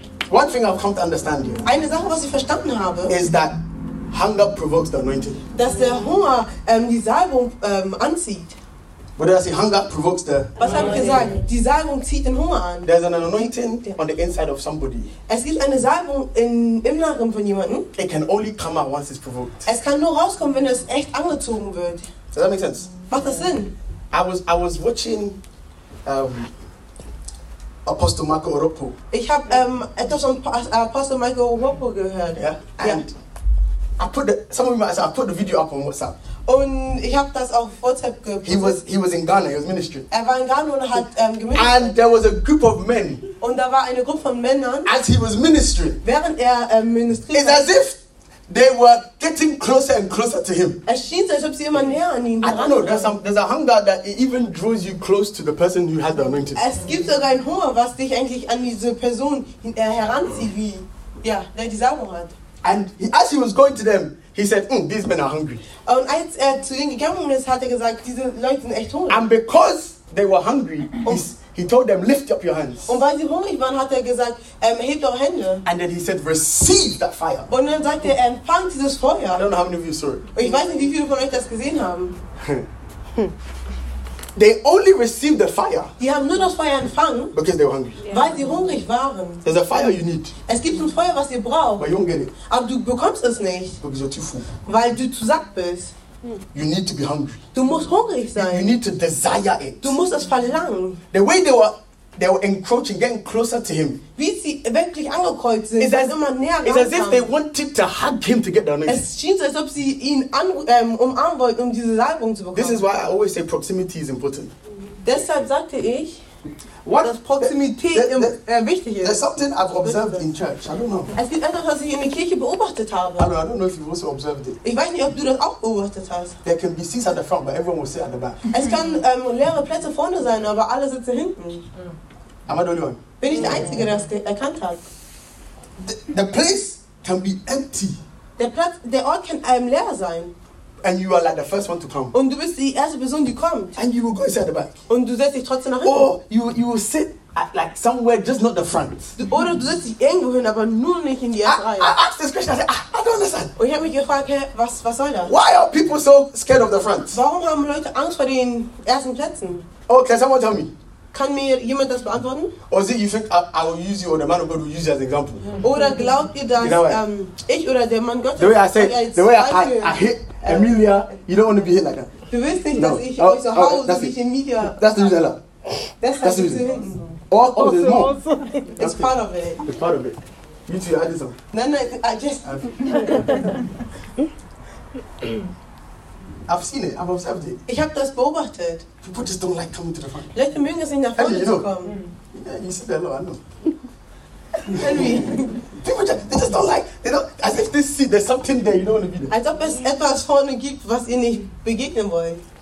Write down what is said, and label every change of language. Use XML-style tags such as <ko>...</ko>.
<en>One thing I've come to understand here.</en> <de>Eine Sache, was ich verstanden habe,</de> <en>is that hunger provokes the anointing.</en> <de>Dass der Hunger die Salbung anzieht.</de> <en>What did I say? Hunger provokes the...</en> <de>Was habe ich gesagt? Die Salbung zieht den Hunger an.</de> <en>There's an anointing on the inside of somebody.</en> <de>Es gibt eine Salbung im Inneren von jemandem.</de> <en>It can only come out once it's provoked.</en> <de>Es kann nur rauskommen, wenn es echt angezogen wird.</de> <en>Does that make sense?</en> <de>Macht das Sinn?</de> <en>I was watching Apostle Michael Oropo.</en> <de>Ich habe etwas von Apostle Michael Oropo gehört.</de> <en>I put the video up on WhatsApp.</en> <de>Und ich habe das auf WhatsApp gepostet.</de> <en>He was in Ghana, he was ministering.</en> <de>Er war in Ghana und hat</de> <en>gemeint. And there was a group of men.</en> <de>Und da war eine Gruppe von Männern.</de> <en>As he was ministering.</en> <de>Während er ministriert.</de> <en>It's as if they were getting closer and closer to him.</en> <de>Es schien so, als ob sie immer näher an ihn</de> <en>waren. I don't know, there's a hunger that even draws you close to the person who has the anointing.</en> <de>Es gibt sogar einen Hunger, was dich eigentlich an diese Person heranzieht, wie ja, der die Salbung hat.</de> <en>And as he was going to them, he said, these men are hungry.</en> <de>Und als er zu ihnen gegangen ist, hat er gesagt, diese Leute sind echt hungrig.</de> <en>And because they were hungry, he told them, lift up your hands.</en> <de>Und weil sie hungrig waren, hat er gesagt, hebt eure Hände.</de> <en>And then he said, receive that fire.</en> <de>Und dann sagt er, empfang dieses Feuer.</de> <en>I don't know how many of you saw it.</en> <de>Ich weiß nicht, wie viele von euch das gesehen haben.</de> <en>They only received the fire.</en> <de>Die haben nur das Feuer empfangen.</de> <en>Because they were hungry.</en> <de>Yeah. Weil sie hungrig waren.</de> <en>There's a fire you need.</en> <de>Es gibt ein Feuer, was ihr braucht.</de> <en>But you don't get it.</en> <de>Aber du bekommst es nicht.</de> <en>Because you're too full.</en> <de>Weil du zu satt bist.</de> <en>You need to be hungry.</en> <de>Du musst hungrig sein.</de> <en>You need to desire it.</en> <de>Du musst es verlangen.</de> <en>The way they were encroaching, getting closer to him.</en> <de>Wie sie wirklich angekreuzt sind, ist es immer näher gekommen.</de> <en>It's as if they wanted to hug him to get the anointing.</en> <de>Es schien so, als ob sie ihn umarmen wollten, diese Salbung zu bekommen.</de> <en>This is why I always say proximity is important.</en> <de>Deshalb sagte ich, dass Proximität wichtig ist.</de> <en>There's something I've observed in church. I don't know.</en> <de>Es gibt etwas, was ich in der Kirche beobachtet habe.</de> <en>I don't know if you also observed it.</en> <de>Ich weiß nicht, ob du das auch beobachtet hast.</de> <en>There can be seats at the front, but everyone will sit at the back.</en> <de>Es kann leere Plätze vorne sein, aber alle sitzen hinten.</de> <en>Am I the only one?</en> <de>Bin ich der Einzige, der das erkannt hat?</de> <en>The place can be empty.</en> <de>Der Ort kann leer sein.</de> <en>And you are like the first one to come.</en> <de>Und du bist die erste Person, die kommt.</de> <en>And you will go inside the back.</en> <de>Und du setzt dich trotzdem nach hinten.</de> <en>Or you will sit at like somewhere, just not the front.</en> <de>Oder du setzt dich irgendwo hin, aber nur nicht in die erste Reihe.</de> <en>I asked this question, I said, I don't understand.</en> <de>Und ich habe mich gefragt, hey, was soll das?</de> <en>Why are people so scared of the front?</en> <de>Warum haben Leute Angst vor den ersten Plätzen?</de> <en>Oh, can someone tell me?</en> <de>Kann mir jemand das beantworten?</de> <en>Or is it you think I will use you, or the man of God will use you as an example?</en> <de>Oder glaubt ihr, dass ich oder der Mann Gottes...</de> <en>The way I hit Emilia, you don't want to be hit like that.</en> <de>Du willst nicht, dass ich euch so haue, dass ich Emilia...</de> <en>That's the reason. That's the reason. Oh, there's more. It's part of it. It's part of it. You too, I did some. No, I just... I've seen it. I've observed it.</en> <de>Ich habe das beobachtet.</de> <en>People just don't like coming to the front.</en> <de>Leute mögen es nicht nach vorne zu kommen.</de> <en>Yeah, you said that a lot, I know. Tell me. People just don't like, you know, as if this seat, there's something there, you don't want to be there.</en> <de>Als ob es etwas vorne gibt, was ihr nicht begegnen wollt.</de>